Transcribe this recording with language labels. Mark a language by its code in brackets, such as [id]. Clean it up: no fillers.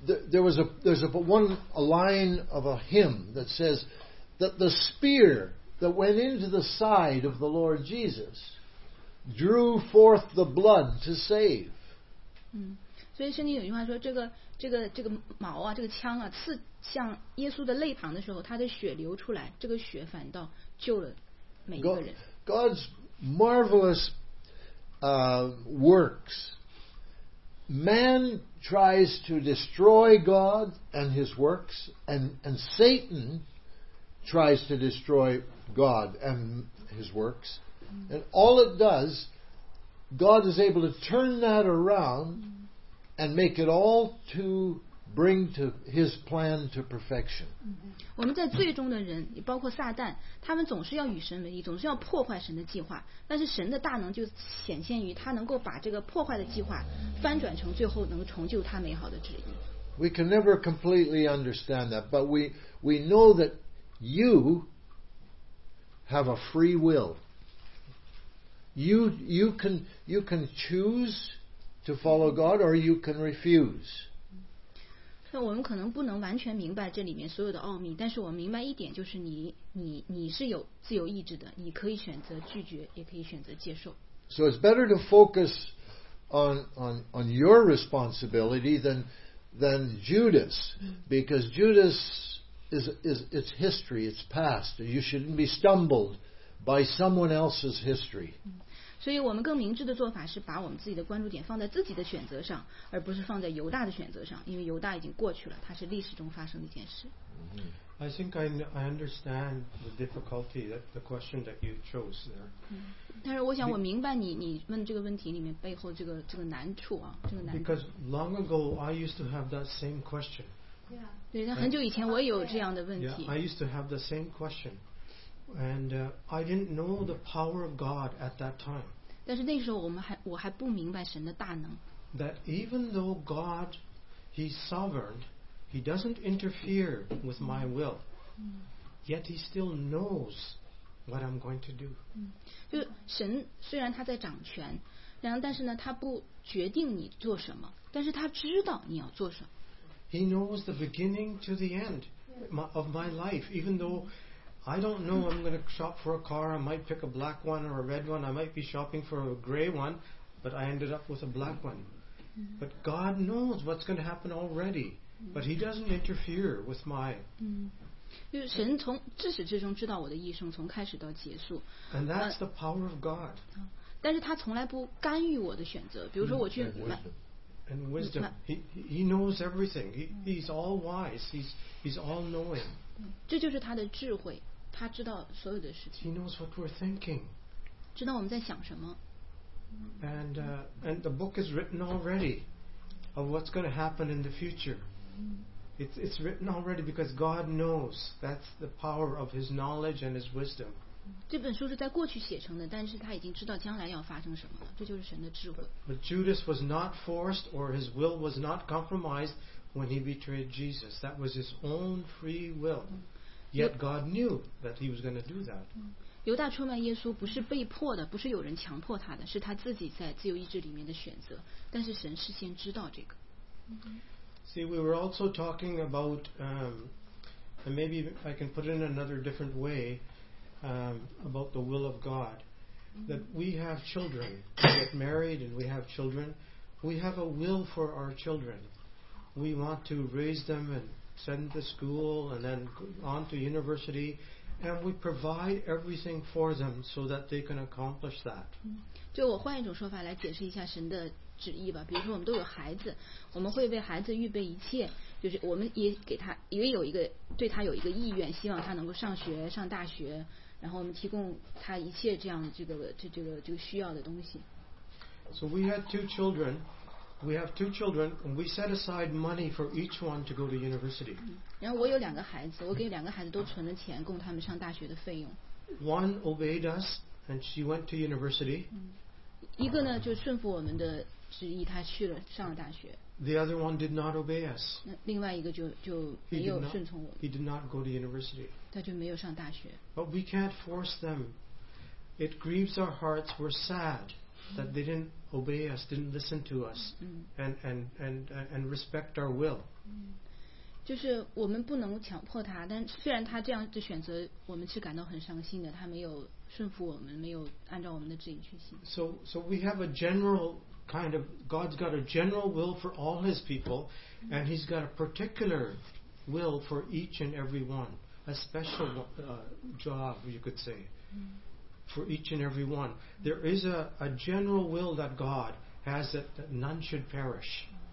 [en] There's a line of a hymn that says that the spear that went into the side of the Lord Jesus drew forth the blood to save. [zh] 所以圣经有句话说，这个矛啊，这个枪啊，刺向耶稣的肋旁的时候，他的血流出来，这个血反倒救了每一个人。 [en] God's marvelous works. Man tries to destroy God and His works, and Satan tries to destroy God and His works. And all it does, God is able to turn that around. And make it all to bring to his plan to perfection. [zh] 我们在最终的人，包括撒旦，他们总是要与神为敌，总是要破坏神的计划。但是神的大能就显现于他能够把这个破坏的计划翻转成最后能成就他美好的旨意。 [en] We can never completely understand that, but we know that you have a free will. You can choose. To follow God, or you can refuse. [zh] 那我们可能不能完全明白这里面所有的奥秘，但是我明白一点，就是你是有自由意志的，你可以选择拒绝，也可以选择接受。 [en] So it's better to focus on your responsibility than Judas, because Judas is history, it's past. You shouldn't be stumbled by someone else's history. [zh] 所以我们更明智的做法是把我们自己的关注点放在自己的选择上，而不是放在犹大的选择上，因为犹大已经过去了，它是历史中发生的一件事。 [en] I think I understand the difficulty that the question that you chose there. [zh] 但是我想我明白你问这个问题里面背后这个难处啊，这个难处。 [en] Because long ago I used to have that same question. Yeah. [zh] 对，很久以前我也有这样的问题。 [en] Yeah, I used to have the same question. And I didn't know the power of God at that time. [zh] 但是那时候我还不明白神的大能。 [en] That even though God, He's sovereign, He doesn't interfere with my will. Yet He still knows what I'm going to do. [zh] 就神虽然他在掌权，然后但是呢他不决定你做什么，但是他知道你要做什么。 [en] He knows the beginning to the end of my life, even though I don't know I'm going to shop for a car, I might pick a black one or a red one, I might be shopping for a gray one, but I ended up with a black one. But God knows what's going to happen already, but he doesn't interfere with my [zh] 就是神从至始至终知道我的一生从开始到结束。 [en] And that's the power of God. [zh] 但是他从来不干预我的选择，比如说我去买。 [en] And wisdom, he knows everything. He's all wise. He's all knowing. [zh] 这就是他的智慧，他知道所有的事情。 [en] He knows what we're thinking. [zh] 知道我们在想什么。 [en] And the book is written already of what's going to happen in the future. It's written already because God knows. That's the power of His knowledge and His wisdom. [zh] 这本书是在过去写成的，但是他已经知道将来要发生什么了，这就是神的智慧。 [en] But Judas was not forced, or his will was not compromised when he betrayed Jesus. That was his own free will. Yet God knew that he was going to do that. [zh] 犹大出卖耶稣不是被迫的，不是有人强迫他的，是他自己在自由意志里面的选择，但是神事先知道这个。 [en] See, we were also talking about, and maybe I can put it in another different way,about the will of God, that we have children, we get married and we have children, we have a will for our children. We want to raise them and send them to school and then on to university, and we provide everything for them so that they can accomplish that. [zh] 就我换一种说法来解释一下神的旨意吧，比如说我们都有孩子，我们会为孩子预备一切，就是我们也给他也有一个对他有一个意愿，希望他能够上学上大学，然后我们提供他一切这样这个需要的东西。 [en] So we had two children, we have two children, and we set aside money for each one to go to university. [zh] 然后我有两个孩子，我给两个孩子都存了钱，供他们上大学的费用。 [en] One obeyed us, and she went to university. [zh] 一个呢就顺服我们的旨意，他去了上了大学。 [en] The other one did not obey us. [zh] 另外一个就没有顺从我们。 [en] He did not go to university. [zh] 他就没有上大学。 [en] But we can't force them. It grieves our hearts. We're sad that they didn't obey us, didn't listen to us, and respect our will. [zh] 就是我们不能强迫他，但虽然他这样的选择，我们是感到很伤心的。他没有顺服我们，没有按照我们的旨意去行。 [en] So we have a general. Kind of God's got a general will for all His people, and He's got a particular will for each and every one, a special job, you could say, for each and every one. There is a general will that God has that none should perish.